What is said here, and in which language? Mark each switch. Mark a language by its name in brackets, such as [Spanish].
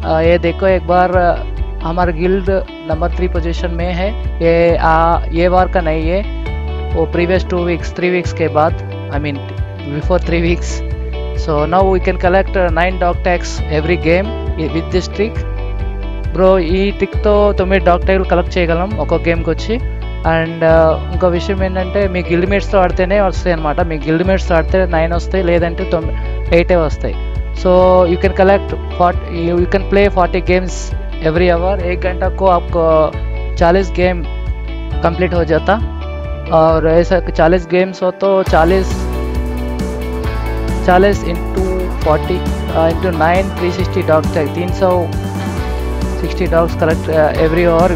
[Hindi] Ye dekho ek bar, हमारा guild number 3 position में है. ये बार का नहीं है, वो प्रीवियस 3 वीक्स के बाद, [English] I mean before 3 weeks. So now we can collect 9 dog tags every game with this trick. [Telugu] Bro ఈ ట్రిక్ తో తుమి డాగ్ ట్యాగ్ కలెక్ట్ చేయగలం ఒక్కో గేమ్ కొచ్చి. అండ్ ఇంకో విషయం ఏంటంటే, మీ గిల్డ్ మేట్స్ తో ఆడితేనే వస్తాయి అన్నమాట. మీ గిల్డ్ మేట్స్ తో ఆడితే 9 వస్తాయి, లేదంటే 8 ఏ వస్తాయి. [English] So you can collect 40 games every hour. [Hindi] एक घंटा को आपको 40 गेम कंप्लीट हो जाता, और ऐसा 40 गेम्स हो तो 40 into 40 into 9 360 dog tag, [English] 360 dogs collect every hour.